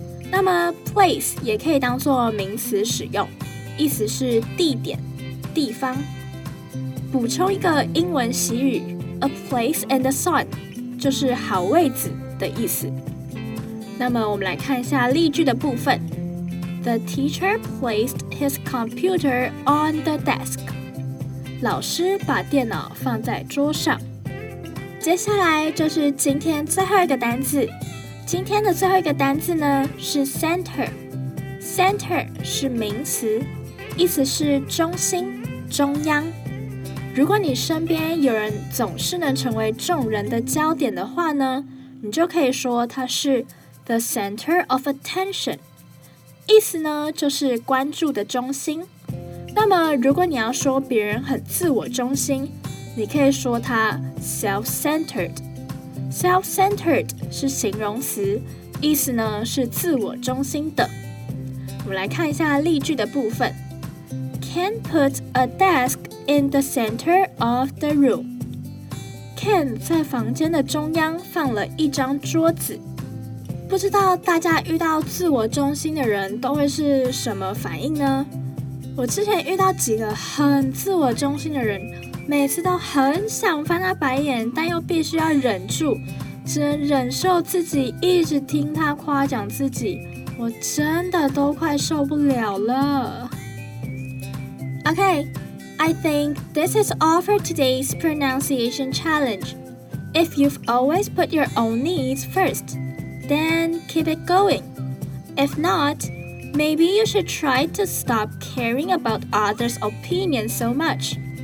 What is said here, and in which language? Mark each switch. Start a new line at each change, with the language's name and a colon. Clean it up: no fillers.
Chinese: 那么 place 也可以当作名词使用，意思是地点、地方。补充一个英文习语
English: A place in the sun
Chinese: 就是好位置的意思。那么我们来看一下例句的部分。
English: The teacher placed his computer on the desk.
Chinese: 老师把电脑放在桌上。接下来就是今天最后一个单字。今天的最后一个单字呢是 center。Center 是名词，意思是中心、中央。如果你身边有人总是能成为众人的焦点的话呢，你就可以说他是
English: the center of attention，
Chinese: 意思呢就是关注的中心。那么如果你要说别人很自我中心，你可以说他 self-centered。 self-centered 是形容词，意思呢是自我中心的。我们来看一下例句的部分。 Ken put a desk in the center of the room. Ken 在房间的中央放了一张桌子。不知道大家遇到自我中心的人都会是什么反应呢？我之前遇到几个很自我中心的人，每次都很想翻他白眼，但又必须要忍住，只能忍受自己一直听他夸奖自己，我真的都快受不了了。
English: OK, I think this is all for today's pronunciation challenge. If you've always put your own needs first, then keep it going. If not, maybe you should try to stop caring about others' opinions so much.